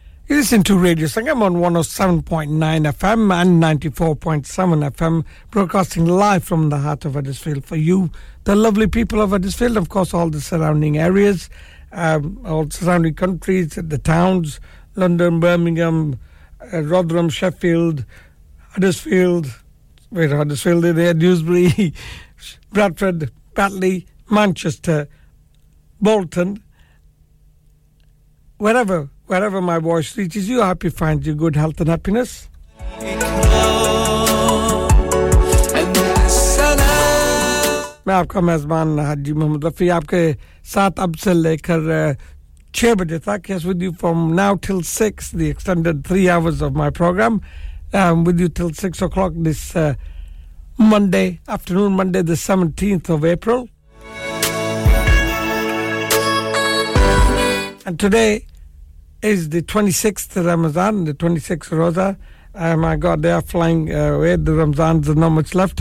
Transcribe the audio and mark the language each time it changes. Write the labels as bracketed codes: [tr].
[en] Listen to Radio Sangam on 107.9 FM and 94.7 FM, broadcasting live from the heart of Huddersfield for you, the lovely people of Huddersfield, of course, all the surrounding areas, all surrounding countries, the towns, London, Birmingham, Rotherham, Sheffield, Huddersfield, where Huddersfield is there, Dewsbury, Bradford, Batley, Manchester, Bolton, wherever. Wherever my voice reaches you, I hope you find your good health and happiness. [hi] मैं आपका मेजबान हाजी मोहम्मद रफी आपके साथ अब से लेकर 6 बजे तक [en] yes, with you from now till 6, the extended 3 hours of my program. I'm with you till 6 o'clock this Monday afternoon, Monday the 17th of April. And today is the 26th Ramadan, the 26th Roza. Oh my God, they are flying away. The Ramadan's there's not much left.